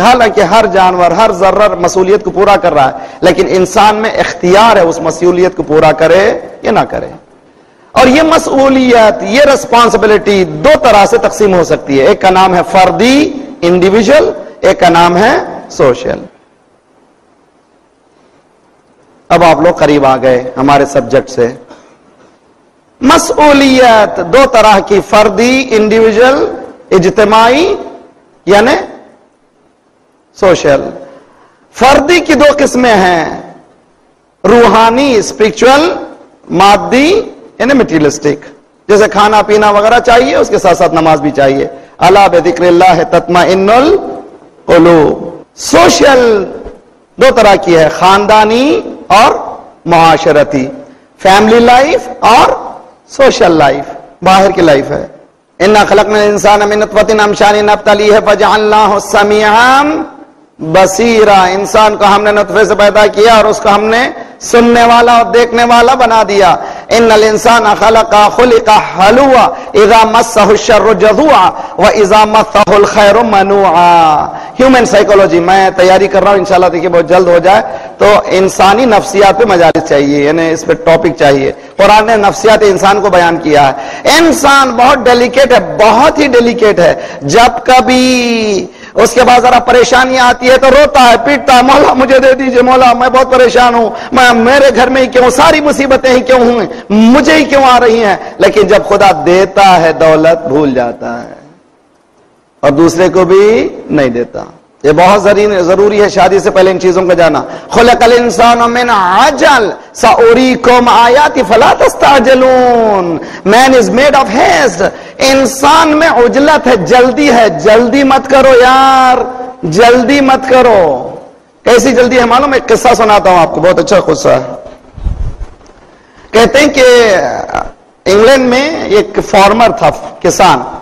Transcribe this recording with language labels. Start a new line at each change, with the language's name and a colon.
Urdu: حالانکہ ہر جانور، ہر ذرہ مسئولیت کو پورا کر رہا ہے، لیکن انسان میں اختیار ہے اس مسئولیت کو پورا کرے یا نہ کرے. اور یہ مسئولیت، یہ ریسپانسبلٹی دو طرح سے تقسیم ہو سکتی ہے، ایک کا نام ہے فردی انڈیویجل، ایک کا نام ہے سوشل. اب آپ لوگ قریب آ گئے ہمارے سبجیکٹ سے. مسئولیت دو طرح کی، فردی انڈیویجل، اجتماعی یعنی سوشل. فردی کی دو قسمیں ہیں، روحانی اسپرچل، مادی یعنی میٹیریلسٹک، جیسے کھانا پینا وغیرہ چاہیے، اس کے ساتھ ساتھ نماز بھی چاہیے.
Arabic: اللہ بذکر اللہ تطمئن القلوب.
Urdu: سوشل دو طرح کی ہے، خاندانی اور معاشرتی، فیملی لائف اور سوشل لائف، باہر کی لائف ہے.
Arabic: انا خلقنا الانسان من نطفہ امشاج نبتلیہ فجعلناہ سمیعا بصیرا.
Urdu: انسان کو ہم نے نطفے سے پیدا کیا اور اس کو ہم نے سننے والا اور دیکھنے والا بنا دیا.
Arabic: ان الانسان خلق حلوا اذا مسه الشر جزوعا واذا مسه الخير منوعا.
Urdu: ہیومن سائیکولوجی میں تیاری کر رہا ہوں، انشاءاللہ دیکھیے بہت جلد ہو جائے. تو انسانی نفسیات پہ مجالس چاہیے، یعنی اس پہ ٹاپک چاہیے. قرآن نے نفسیات انسان کو بیان کیا ہے. انسان بہت ڈیلیکیٹ ہے، بہت ہی ڈیلیکیٹ ہے. جب کبھی اس کے بعد ذرا پریشانی آتی ہے تو روتا ہے، پیٹتا ہے، مولا مجھے دے دیجئے، مولا میں بہت پریشان ہوں، میں میرے گھر میں ہی کیوں، ساری مصیبتیں ہی کیوں ہوں، مجھے ہی کیوں آ رہی ہیں. لیکن جب خدا دیتا ہے دولت بھول جاتا ہے اور دوسرے کو بھی نہیں دیتا. یہ بہت ضروری ہے شادی سے پہلے ان چیزوں کا جانا.
Arabic: خلق الانسان من عجل سأریکم آیاتی فلا تستعجلون.
English: Man is made of haste.
Urdu: انسان میں عجلت ہے، جلدی ہے. جلدی مت کرو یار، جلدی مت کرو. کیسی جلدی ہے معلوم؟ ایک قصہ سناتا ہوں آپ کو، بہت اچھا قصہ ہے. کہتے ہیں کہ انگلینڈ میں ایک فارمر تھا، کسان.